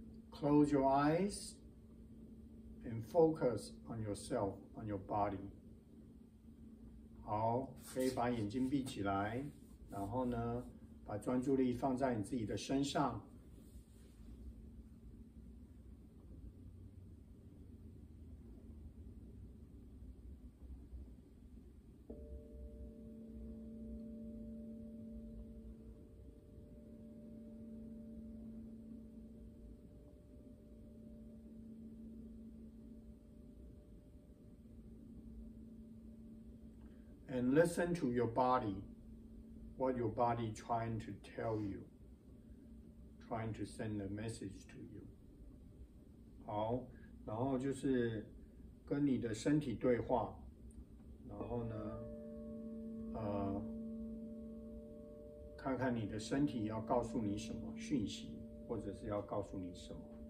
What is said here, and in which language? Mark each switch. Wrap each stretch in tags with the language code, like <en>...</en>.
<zh>Close your eyes and focus on yourself, on your body. 好，可以把眼睛闭起来，然后呢，把专注力放在你自己的身上。</zh> <en>And listen to your body, what your body trying to tell you, trying to send a message to you.</en> <zh>好，然后就是跟你的身体对话，然后呢，看看你的身体要告诉你什么讯息，或者是要告诉你什么。</zh>